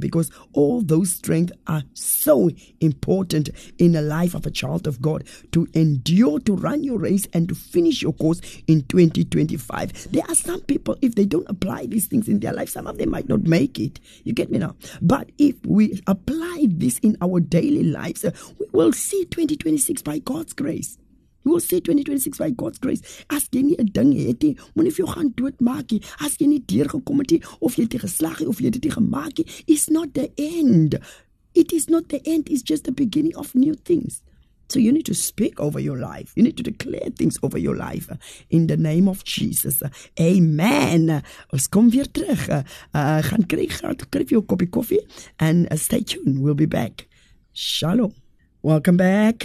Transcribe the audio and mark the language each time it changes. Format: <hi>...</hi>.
<en>Because all those strengths are so important in the life of a child of God to endure, to run your race, and to finish your course in 2025. There are some people, if they don't apply these things in their life, some of them might not make it. You get me now? But if we apply this in our daily lives, we will see 2026 by God's grace. We will see 2026 by God's grace.</en> <af>As jy nie 'n ding het nie, moenie vir jou gaan doodmaak nie. As jy nie deurgekom het nie, of jy het nie geslaag nie, of jy het nie gemaak nie,</af> <en>is not the end. It is not the end. It's just the beginning of new things. So you need to speak over your life. You need to declare things over your life. In the name of Jesus. Amen.</en> <af>Ons kom weer terug. Gaan kry jou koppie koffie.</af> <en>And stay tuned. We'll be back. Shalom. Welcome back.</en>